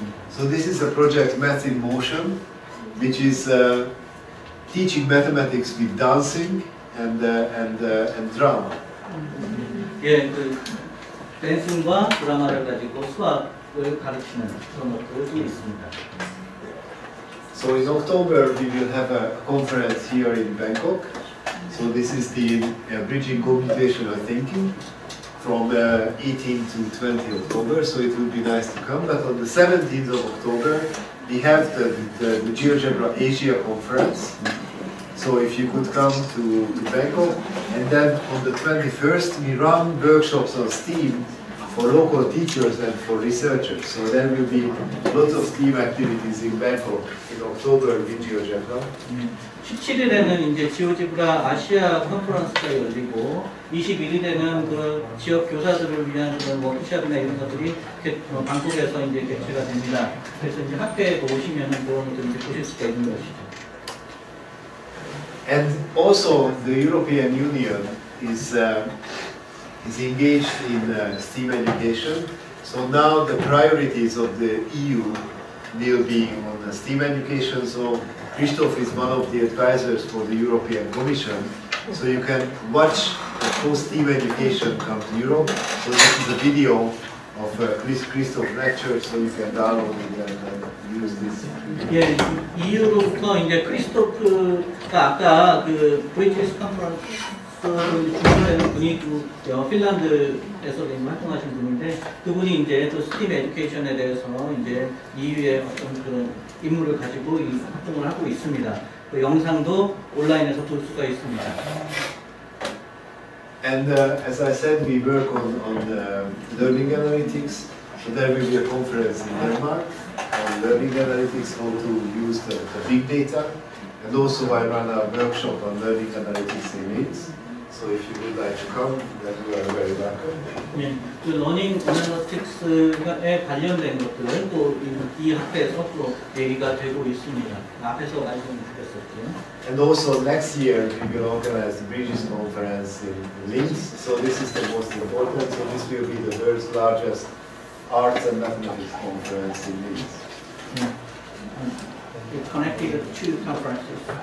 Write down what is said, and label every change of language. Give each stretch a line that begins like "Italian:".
English: So this is a project, Math in Motion, which is teaching mathematics with dancing and drama.
Korean: 예, 댄싱과 드라마를 가지고 수학을 가르치는 그런 것들이 있습니다.
English: So in October we will have a conference here in Bangkok. So this is the Bridging Computational Thinking from 18 to 20 October. So it would be nice to come. But on the 17th of October we have the GeoGebra Asia Conference. So if you could come to Bangkok. And then on the 21st we run workshops on STEAM for local teachers and for researchers. So there will be lots of STEAM activities in Bangkok in October with GeoGebra.
Korean: 17일에는 이제 GeoGebra 아시아 컨퍼런스가 열리고 21일에는 그 지역 교사들을 위한 그런 워크숍이나 이런 것들이 방콕에서 이제 개최가 됩니다. 그래서 이제 학교에 오시면은 그런 것들을 보실 수가 있는 것이죠.
English: And also the European Union is engaged in STEAM education. So now the priorities of the EU will be on the STEAM education. So Christoph is one of the advisors for the European Commission. So you can watch the whole STEAM education come to Europe. So this is a video of Christoph lecture, so you can download it and use this.
Korean: 예, 이후로부터 이제 크리스토프가 아까 그 브리티스 컨퍼런스 주최하는 분이 핀란드에서 활동하신 분인데 그분이 이제 또 STEAM 에듀케이션에 대해서 이제 EU의 어떤 그런 임무를 가지고 이 활동을 하고 있습니다. 그 영상도 온라인에서 볼 수가 있습니다.
English: And as I said, we work on the learning analytics. So there will be a conference in Denmark on learning analytics, how to use the big data. And also I run a workshop on learning analytics in Leeds. So if you would like to come, then you are very welcome.
Korean: 네, 그 learning analytics에 관련된 것들은 또 이 학회에서 또 얘기가 되고 있습니다. 앞에서 말씀을 드렸었죠.
English: And also next year we will organize the Bridges Conference in Linz. So this is the most important. So this will be the world's largest Arts and Mathematics Conference in Leeds. It's connected to two conferences.